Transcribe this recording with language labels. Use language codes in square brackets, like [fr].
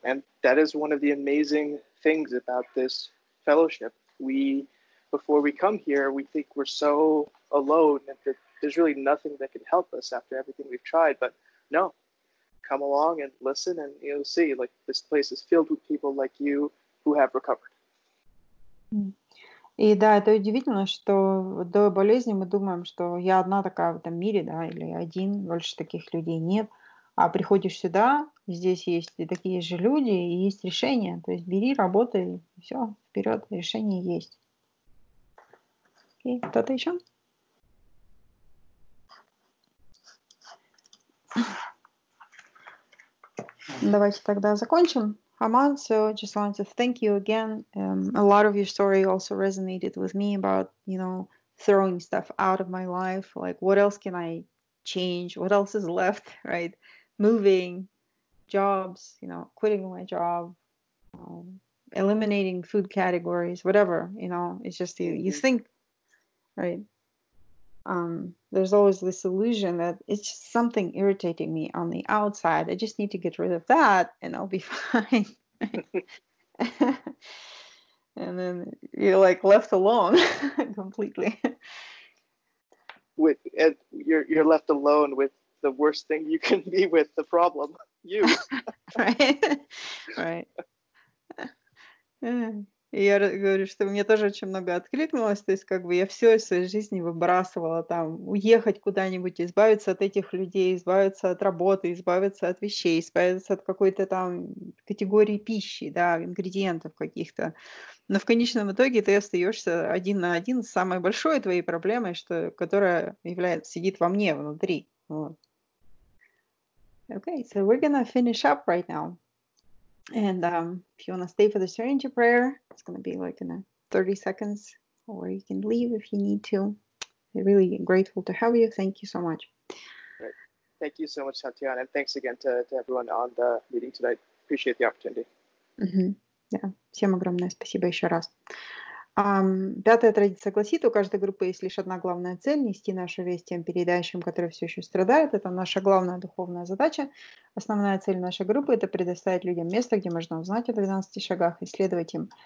[en] And that is one of the amazing things about this fellowship. We, before we come here, we think we're so alone and that there's really nothing that can help us after everything we've tried. But no, come along and listen and you'll see, like, this place is filled with people like you who have recovered. [ru] И да, это удивительно, что до болезни мы думаем, что я одна такая в этом мире, да, или один, больше таких людей нет. А приходишь сюда, здесь есть и такие же люди, и есть решение. То есть бери, работай, все, вперед, решение есть. Окей, кто-то еще? Давайте тогда закончим. [en] Аман, so just wanted to thank you again. A lot of your story also resonated with me about, you know, throwing stuff out of my life. Like, what else can I change? What else is left, right? Moving, jobs, you know, quitting my job, eliminating food categories, whatever, you know, it's just you think, right? There's always this illusion that it's just something irritating me on the outside. I just need to get rid of that and I'll be fine. And then you're like left alone completely. with and you're left alone with the worst thing you can be with, the problem, you. Right. [ru] И я говорю, что у меня тоже очень много откликнулось, то есть как бы я все из своей жизни выбрасывала, там, уехать куда-нибудь, избавиться от этих людей, избавиться от работы, избавиться от вещей, избавиться от какой-то там категории пищи, да, ингредиентов каких-то. Но в конечном итоге ты остаешься один на один с самой большой твоей проблемой, что, которая является, сидит во мне внутри. Вот. [en] Okay, so we're gonna finish up right now. And if you want to stay for the serenity prayer, it's going to be like in 30 seconds, or you can leave if you need to. I'm really grateful to have you. Thank you so much. Right. Thank you so much, Tatiana. And thanks again to everyone on the meeting tonight. Appreciate the opportunity. Mm-hmm. Yeah. [ru] Всем огромное спасибо еще раз. Пятая традиция гласит, у каждой группы есть лишь одна главная цель – нести нашу весть тем передающим, которые все еще страдают. Это наша главная духовная задача. Основная цель нашей группы – это предоставить людям место, где можно узнать о 12 шагах, исследовать им.